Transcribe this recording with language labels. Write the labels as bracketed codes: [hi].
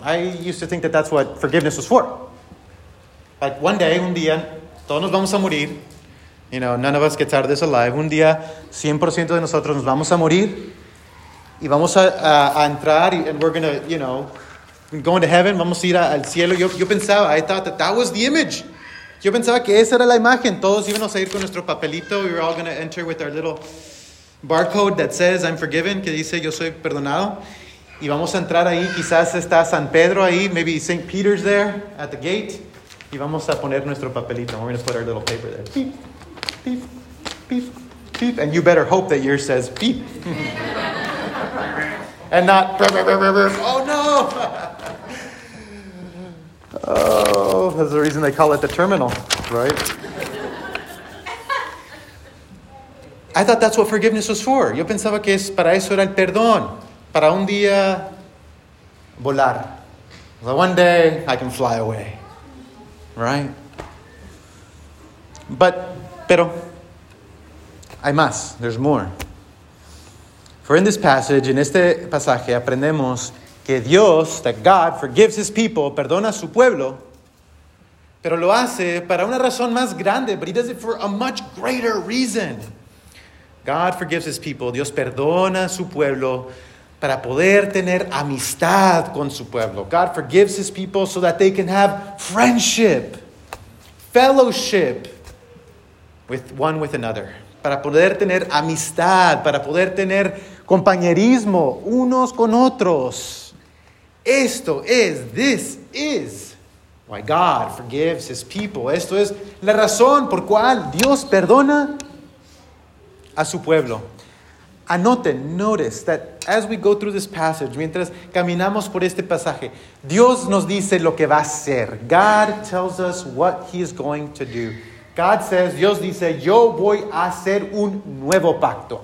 [en] I used to think that that's what forgiveness was for. Like one day, [es] un día, todos nos vamos a morir. [en] You know, none of us gets out of this alive. [es] Un día, 100% de nosotros nos vamos a morir. Y vamos a entrar, [en] and we're going to, you know, going to heaven, [es] vamos a ir al cielo. Yo pensaba, [en] I thought that that was the image. [es] Yo pensaba que esa era la imagen. Todos íbamos a ir con nuestro papelito. [en] We were all going to enter with our little barcode that says, I'm forgiven, [es] que dice, yo soy perdonado. Y vamos a entrar ahí, quizás está San Pedro ahí, [en] maybe St. Peter's there at the gate. [es] Y vamos a poner nuestro papelito. [en] We're going to put our little paper there. Beep, beep, beep, beep. And you better hope that yours says beep. And not, burr, burr, burr, burr. Oh no! Oh, that's the reason they call it the terminal, right? I thought that's what forgiveness was for. [es] Yo pensaba que es para eso era el perdón. Para un día volar. [en] So one day I can fly away. Right? [es] Pero, hay más. [en] There's more. For in this passage, [es] in este pasaje, aprendemos que Dios, [en] that God forgives his people, [es] perdona a su pueblo, pero lo hace para una razón más grande, [en] but he does it for a much greater reason. God forgives his people, [es] Dios perdona a su pueblo para poder tener amistad con su pueblo. [en] God forgives his people so that they can have friendship, fellowship with one with another. [es] Para poder tener amistad, para poder tener compañerismo unos con otros. Esto es, [en] this is why God forgives his people. [es] Esto es la razón por cual Dios perdona a su pueblo. Anoten, [en] notice that as we go through this passage, [es] mientras caminamos por este pasaje, Dios nos dice lo que va a hacer. [en] God tells us what he is going to do. God says, [es] Dios dice, yo voy a hacer un nuevo pacto.